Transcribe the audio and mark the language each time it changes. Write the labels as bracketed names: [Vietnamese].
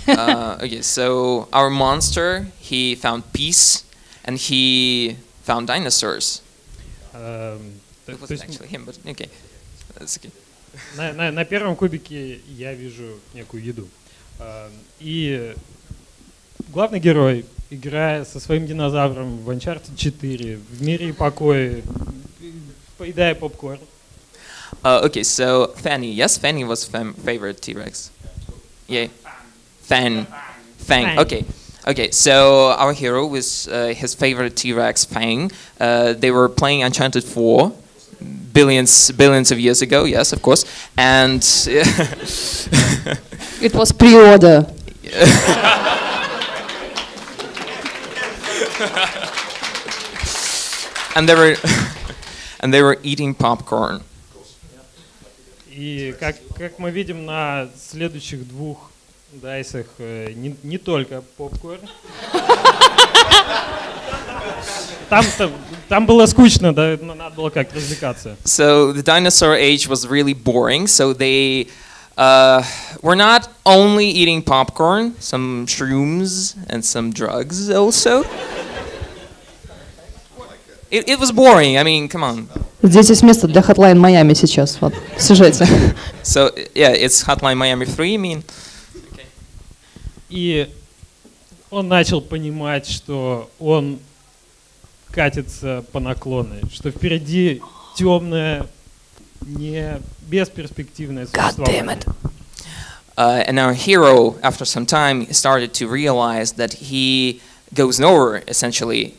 [English] Okay, so our monster, he found peace, and he found dinosaurs. It wasn't actually him, but okay. That's okay. [Russian] На первом кубике я вижу некую еду. И главный герой, играя со своим динозавром в Uncharted 4, в мире покоя, поедая попкорн. [English] Okay, so Fanny. Yes, Fanny was favorite T-Rex. Yeah. Fang. Okay, so our hero was his favorite T-Rex, Fang. They were playing Uncharted 4. Billions of years ago, yes, of course, and it was pre-order. and they were eating popcorn. [Russian] И как мы видим на следующих двух дайсах не только попкорн. Там было скучно, да, надо было как-то развлекаться. [English] So the dinosaur age was really boring, so they were not only eating popcorn, some shrooms and some drugs also. It was boring, I mean, come on. [Russian] Здесь есть место для Hotline Miami сейчас, вот, в сюжете. [English] So, yeah, it's Hotline Miami 3, I mean. [Russian] И он начал понимать, что он... катится по наклонной, что впереди темное, не бесперспективное существование. [English] God damn it. And our hero, after some time, started to realize that he goes nowhere, essentially.